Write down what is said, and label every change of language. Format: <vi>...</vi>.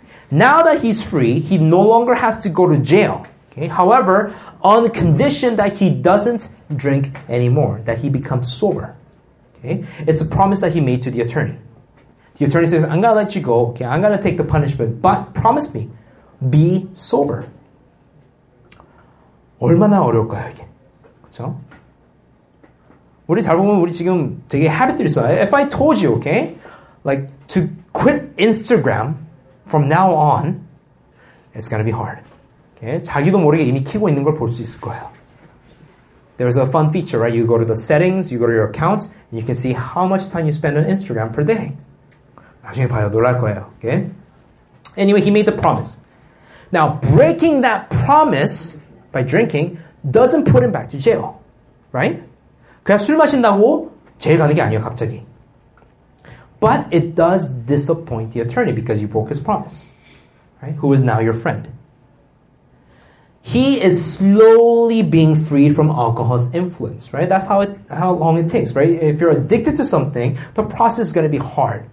<en>Now that he's free, he no longer has to go to jail. Okay? However, on the condition that he doesn't drink anymore, that he becomes sober. Okay? It's a promise that he made to the attorney. The attorney says, I'm gonna let you go. Okay? I'm gonna take the punishment, but promise me, be sober.</en> <ko>얼마나 어려울까요, 이게? 그쵸? 우리 잘 보면 우리 지금 되게 habit들이 있어요.</ko> <en>If I told you, okay? Like, to quit Instagram from now on, it's gonna be hard. Okay?</en> <ko>자기도 모르게 이미 키고 있는 걸 볼 수 있을 거예요.</ko> <en>There's a fun feature, right? You go to the settings, you go to your account, and you can see how much time you spend on Instagram per day.</en> <ko>나중에 봐요. 놀랄 거예요. Okay?</ko> <en>Anyway, he made the promise. Now, breaking that promise by drinking doesn't put him back to jail, right?</en> <ko>그냥 술 마신다고 제일 가는 게 아니에요, 갑자기.</ko> <en>But it does disappoint the attorney because you broke his promise, right? Who is now your friend. He is slowly being freed from alcohol's influence, right? That's how long it takes, right? If you're addicted to something, the process is going to be hard.</en>